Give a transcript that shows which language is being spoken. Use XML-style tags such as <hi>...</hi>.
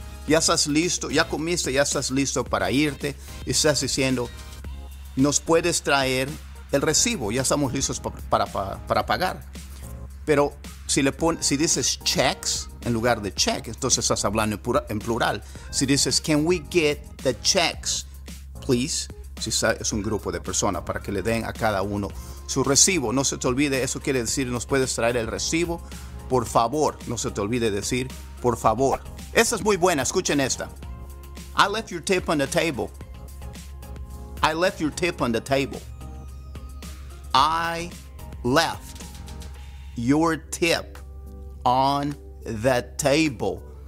<es>Ya estás listo, ya comiste, ya estás listo para irte. Y estás diciendo, nos puedes traer el recibo. Ya estamos listos para pagar. Pero si dices</es> <en>checks</en> <es>en lugar de check, entonces estás hablando en plural. Si dices,</es> <en>can we get the checks, please.</en> <es>Si es un grupo de personas para que le den a cada uno su recibo. No se te olvide, eso quiere decir, nos puedes traer el recibo. Por favor, no se te olvide decir, por favor. Esta es muy buena, escuchen esta.</es> <en>I left your tip on the table. I left your tip on the table. I left your tip on the table.</en>